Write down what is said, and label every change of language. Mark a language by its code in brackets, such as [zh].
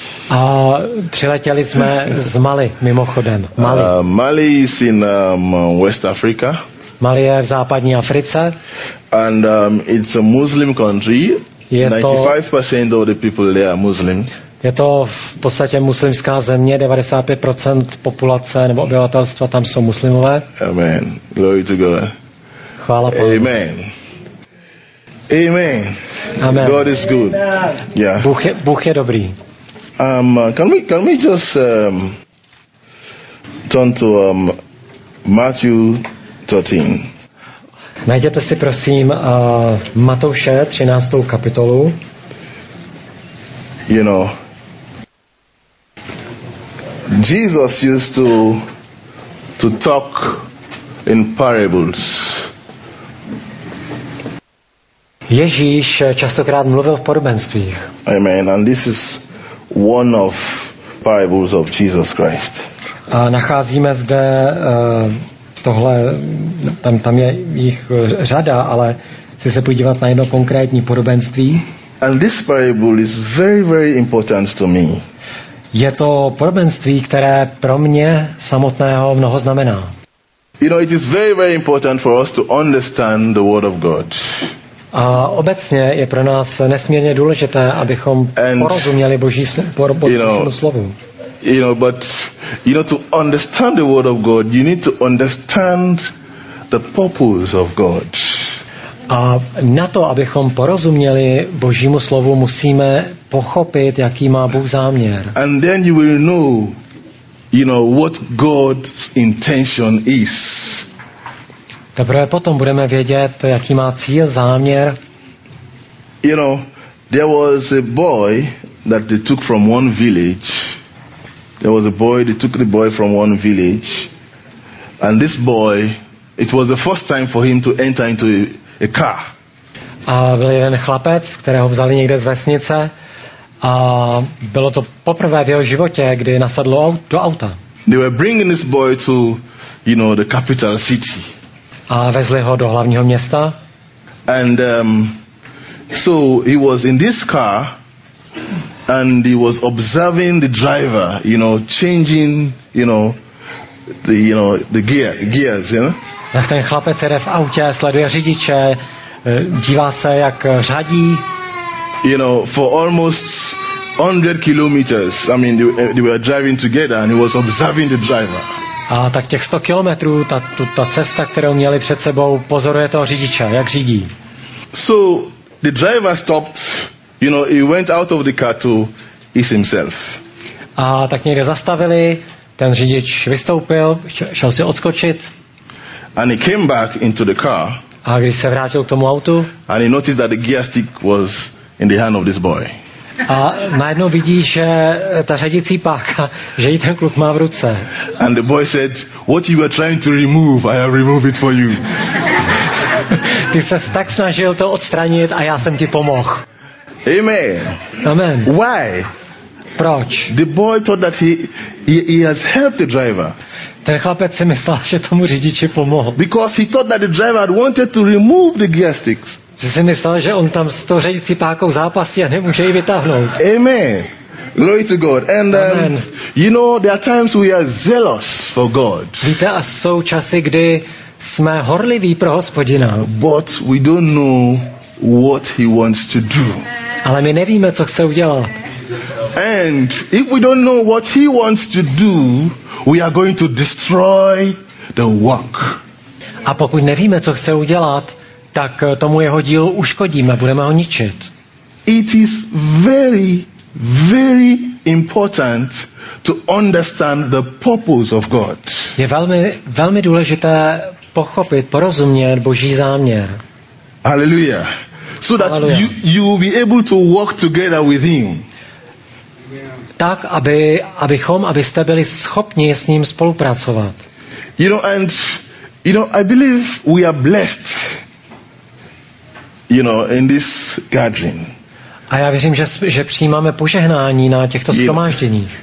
[cs] A přiletěli jsme z Mali, mimochodem. Mali. [en] Mali is in West Africa. [cs] Mali je v západní Africe. [en] And it's a Muslim country. [cs] Je [en] 95% [cs] to, [en] of the people there are Muslims. [cs] Je to v podstatě muslimská země, 95% populace nebo obyvatelstva tam jsou muslimové. [en] Amen. Glory to God. [cs] Chvála Pánu. [en] Amen. Amen. Amen. God is good. Yeah. [cs] Bůh je dobrý. [en] Can we just turn to Matthew 13. [cs] Najděte si prosím Matouše 13. kapitolu. [en] You know, Jesus used to talk in parables. [cs] Ježíš častokrát mluvil v podobenstvích. [en] Amen. And this is one of parables of Jesus Christ. [cs] A nacházíme zde tohle, tam je jich řada, ale chci se podívat na jedno konkrétní podobenství. [en] And this parable is very, very important to me. [cs] Je to podobenství, které pro mě samotného mnoho znamená. [en] You know, it is very, very important for us to understand the word of God. [cs] A obecně je pro nás nesmírně důležité, abychom porozuměli Boží slovu. [en] You know, but you know, to understand the word of God, you need to understand the purpose of God. [cs] A na to, abychom porozuměli Božímu slovu, musíme pochopit, jaký má Bůh záměr. [en] And then you will know, you know, what God's intention is. [cs] Teprve potom budeme vědět, jaký má cíl, záměr. [en] You know, there was a boy that they took from one village. There was a boy, they took the boy from one village. And this boy, it was the first time for him to enter into a car. [cs] A byl jeden chlapec, kterého vzali někde z vesnice. A bylo to poprvé v jeho životě, kdy nasadlo do auta. [en] They were bringing this boy to, you know, the capital city. [cs] A vezli ho do hlavního města. [en] And so he was in this car and he was observing the driver, you know, changing, you know, the, you know, the gears, you know. [cs] Tak ten chlapec jede v autě, sleduje řidiče, dívá se, jak řadí. [en] You know, for almost 100 kilometers, I mean, they were driving together and he was observing the driver. [cs] A tak těch 100 kilometrů, ta cesta, kterou měli před sebou, pozoruje toho řidiče, jak řídí. [en] So, the driver stopped, you know, he went out of the car to ease himself. [cs] A tak někde zastavili, ten řidič vystoupil, šel si odskočit. [en] And he came back into the car. [cs] A když se vrátil k tomu autu. [en] And he noticed that the gear stick was in the hand of this boy. [cs] A najednou vidí, že ta řadicí páka, že jí ten kluk má v ruce. [en] And the boy said, what you were trying to remove, I have removed it for you. [cs] Ty ses tak snažil to odstranit a já jsem ti pomohl. [en] Amen. Amen. Why? [cs] Proč? [en] The boy thought that he has helped the driver. [cs] Ten chlapec si myslel, že tomu řidiči pomohl. [en] Because he thought that the driver had wanted to remove the gear sticks. [cs] Že si myslel, že on tam s tou řadicí pákou zápasí a nemůže ji vytáhnout. [en] Amen. Glory to God. And Amen. You know, there are times we are zealous for God. [cs] Víte, a jsou časy, kdy jsme horliví pro Hospodina. [en] But we don't know what he wants to do. [cs] Ale my nevíme, co chce udělat. [en] And if we don't know what he wants to do, we are going to destroy the work. [cs] A pokud nevíme, co chce udělat, tak tomu jeho dílu uškodíme, budeme ho ničit. [en] It is very, very important to understand the purpose of God. [cs] Je velmi, velmi důležité pochopit, porozumět Boží záměr. [en] Alleluja. So that you will be able to walk together with him. [cs] Tak, abyste byli schopni s ním spolupracovat. [en] You know, and you know, I believe we are blessed. You know, in this gathering. [cs] A já věřím, že přijímáme požehnání na těchto shromážděních.